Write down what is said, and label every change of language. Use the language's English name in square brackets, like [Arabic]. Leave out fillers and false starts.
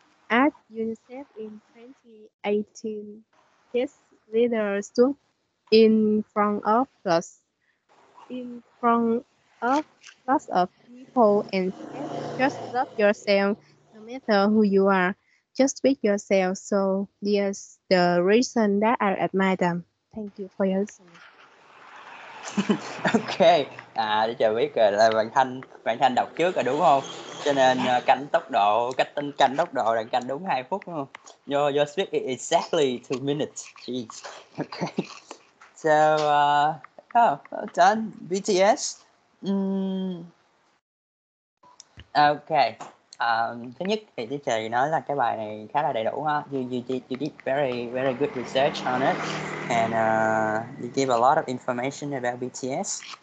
[English] At UNICEF in 2018, this leader stood in front of lots of people and said, just love yourself, no matter who you are, just be yourself. So yes, the reason that I admire them. Thank you for your listening. [Vietnamese] Ok, à, để cho biết rồi là bạn Thanh đọc trước rồi đúng không? Cho nên canh tốc độ là canh đúng 2 phút đúng không? [English] You speak exactly 2 minutes. Jeez. Ok. So, done. BTS. Ok. [Vietnamese] Thứ nhất thì tí trời nói là cái bài này khá là đầy đủ ha. [English] You did very very good research on it and you give a lot of information about BTS.